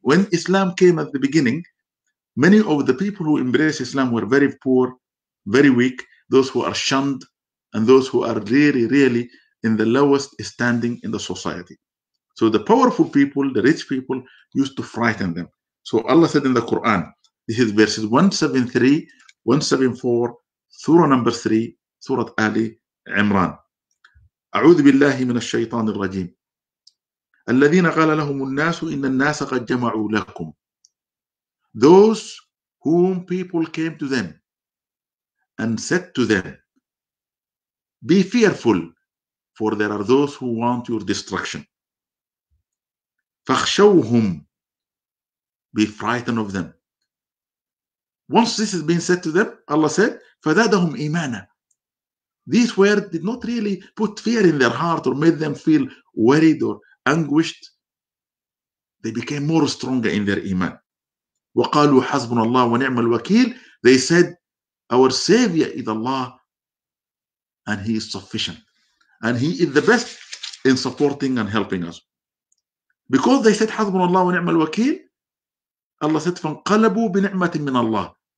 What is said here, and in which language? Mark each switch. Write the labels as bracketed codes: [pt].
[en] When Islam came at the beginning, many of the people who embraced Islam were very poor, very weak, those who are shunned, and those who are really, really in the lowest standing in the society. So the powerful people, the rich people, used to frighten them. So Allah said in the Quran, this is verses 173, 174 [ar] سورة نمبر 3 سورة آل عمران. أعوذ بالله من الشيطان الرجيم. الذين قال لهم الناس إن الناس قد جمعوا لكم. [en] Those whom people came to them and said to them, be fearful, for there are those who want your destruction. [ar] فاخشوهم, [en] be frightened of them. Once this has been said to them, Allah said, [ar] فزادهم إيمانا. [en] These words did not really put fear in their heart or made them feel worried or anguished. They became more stronger in their iman. [ar] وقالوا حسبنا الله ونعم الوكيل. [en] They said, our savior is Allah and he is sufficient. And he is the best in supporting and helping us. Because they said [ar] حسبنا الله ونعم الوكيل, [en] Allah said, [ar] فانقلبوا بنعمة من الله.